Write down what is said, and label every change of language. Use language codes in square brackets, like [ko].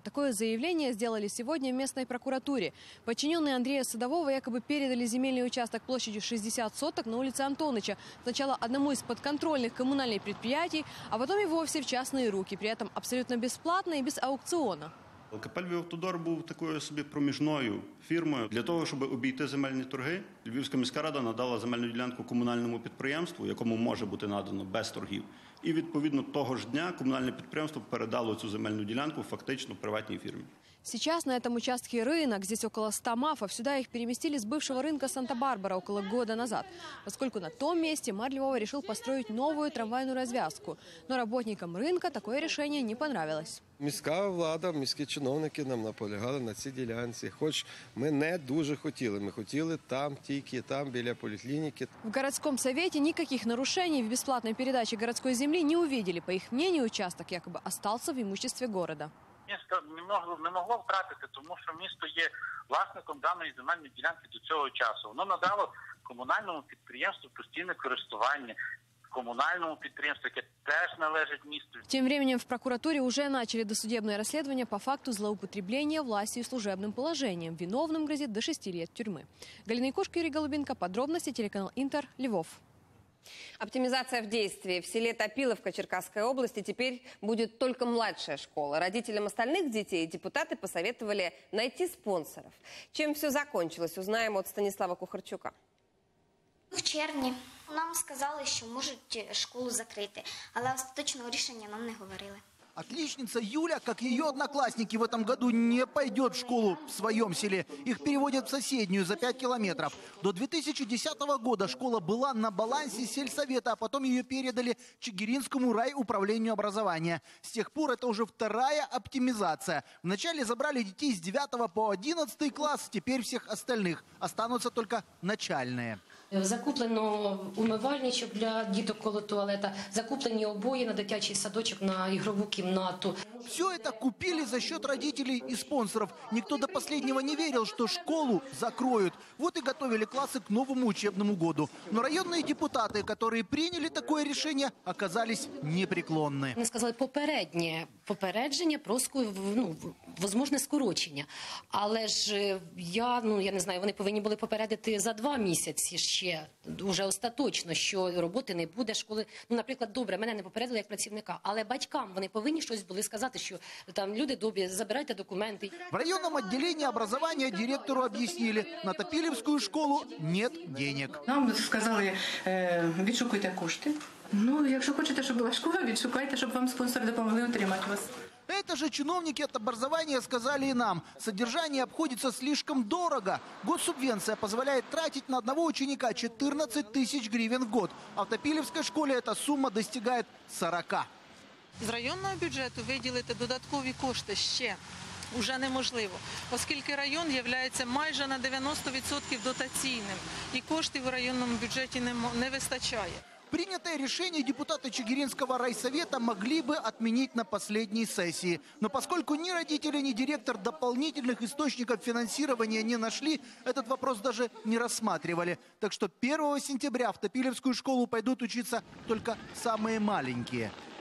[ru] Такое заявление сделали сегодня в местной прокуратуре. Подчиненные Андрея Садового якобы передали земельный участок площадью 60 соток на улице Антоныча. Сначала одному из подконтрольных коммунальных предприятий, а потом и вовсе в частные руки. При этом абсолютно бесплатно и без аукциона. [uk] КП «Львівавтодор» був такою собі проміжною фірмою. Для того, щоб обійти земельні торги, Львівська міська рада надала земельну ділянку комунальному підприємству, якому може бути надано без торгів. І відповідно того ж дня комунальне підприємство передало цю земельну ділянку фактично приватній фірмі. [ru] Сейчас на этом участке рынок. Здесь около 100 мафов. Сюда их переместили с бывшего рынка Санта-Барбара около года назад, поскольку на том месте мэр Львова решил построить новую трамвайную развязку. Но работникам рынка такое решение не понравилось. [uk] Міська влада, міські чиновники нам наполягали на цій ділянці, хоч ми не дуже хотіли. Ми хотіли там, тільки там, біля поліклініки. [ru] В городском совете никаких нарушений в бесплатной передаче городской земли не увидели. По их мнению, участок якобы остался в имуществе города. [uk] Місто не могло втратити, тому що місто є власником даної земельної ділянки до цього часу. Воно надало комунальному підприємству постійне користування. [ru] Коммунальному предприятию, которое тоже [uk] належит місту. [ru] Тем временем в прокуратуре уже начали досудебное расследование по факту злоупотребления властью и служебным положением. Виновным грозит до 6 лет тюрьмы. Галина Якушко, Юрий Голубенко. Подробности, телеканал Интер, Львов. Оптимизация в действии. В селе Топиловка Черкасской области теперь будет только младшая школа. Родителям остальных детей депутаты посоветовали найти спонсоров. Чем все закончилось, узнаем от Станислава Кухарчука. [uk] В червні нам сказали, що можуть школу закрити, але остаточного рішення нам не говорили. [ru] Отличница Юля, как ее одноклассники, в этом году не пойдет в школу в своем селе. Их переводят в соседнюю за 5 километров. До 2010 года школа была на балансе сельсовета, а потом ее передали Чигиринскому райуправлению образования. С тех пор это уже вторая оптимизация. Вначале забрали детей с 9 по 11 класс, теперь всех остальных. Останутся только начальные. [uk] Закуплено умивальничок для діток коло туалета, закуплені обої на дитячий садочок, на ігрову кімнату. [ru] Все это купили за счет родителей и спонсоров. Никто до последнего не верил, что школу закроют. Вот и готовили классы к новому учебному году. Но районные депутаты, которые приняли такое решение, оказались непреклонны. [uk] Мы сказали попереднее, попередження про возможное скорочення. Але ж я не знаю, вони повинні були попередити за два місяці ще, уже остаточно, що роботи не буде, школи, наприклад, добре, мене не попередили як працівника, але батькам вони повинні щось були сказати. [ru] В районном отделении образования директору объяснили, на Топилевскую школу нет денег. [uk] Нам сказали, відшукуйте кошти. Якщо хочете, щоб була школа, відшукайте, щоб вам спонсори допомогли отримати вас. [ru] Это же чиновники от образования сказали и нам. Содержание обходится слишком дорого. Госсубвенция позволяет тратить на одного ученика 14 тысяч гривен в год. А в Топилевской школе эта сумма достигает 40. [uk] З районного бюджету виділити додаткові кошти ще уже неможливо, оскільки район є майже на 90% дотаційним, і коштів в районному бюджеті не вистачає. [ru] Принятое решение депутаты Чигиринского райсовета могли бы отменить на последней сессии. Но поскольку ни родители, ни директор дополнительных источников финансирования не нашли, этот вопрос даже не рассматривали. Так что 1 сентября в Топилевскую школу пойдут учиться только самые маленькие.